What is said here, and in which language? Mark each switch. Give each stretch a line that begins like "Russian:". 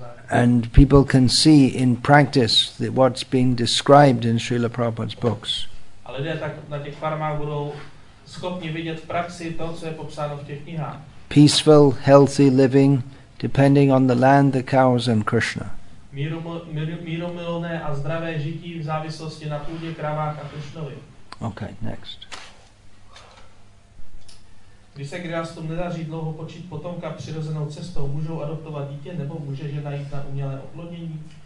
English: And people can see in practice that what's being described in Srila Prabhupada's books.
Czech: A lidé tak na těch farmách budou schopni vidět v praxi to, co je popsáno v těch knihách.
English: Peaceful, healthy living, depending on the land, the cows and Krishna.
Czech: Mírumilné a zdravé žití v závislosti na půdě, kravách a Krishnovi.
English: Okay, next.
Czech: Když se grihastům nedaří dlouho počít potomka přirozenou cestou, můžou adoptovat dítě nebo může žena jít na umělé oplodnění?